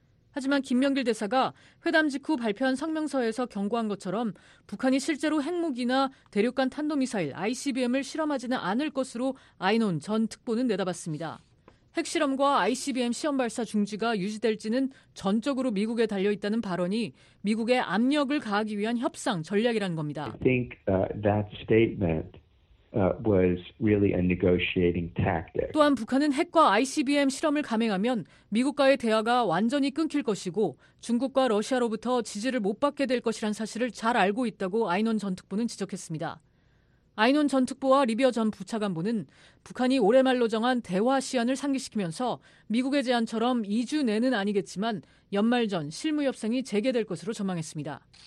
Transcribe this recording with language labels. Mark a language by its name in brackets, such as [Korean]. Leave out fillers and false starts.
[Korean] 하지만 김명길 대사가 회담 직후 발표한 성명서에서 경고한 것처럼 북한이 실제로 핵무기나 대륙간 탄도미사일 ICBM을 실험하지는 않을 것으로 아이논 전 특보는 내다봤습니다. 핵실험과 ICBM 시험 발사 중지가 유지될지는 전적으로 미국에 달려있다는 발언이 미국에 압력을 가하기 위한 협상 전략이라는 겁니다. [English] I think that statement was really a negotiating tactic. [Korean] 또한 북한은 핵과 ICBM 실험을 감행하면 미국과의 대화가 완전히 끊길 것이고 중국과 러시아로부터 지지를 못 받게 될 것이란 사실을 잘 알고 있다고 아이논 전 특보는 지적했습니다. 아이논 전 특보와 리비어 전 부차관보는 북한이 올해 말로 정한 대화 시한을 상기시키면서 미국의 제안처럼 2주 내는 아니겠지만 연말 전 실무 협상이 재개될 것으로 전망했습니다.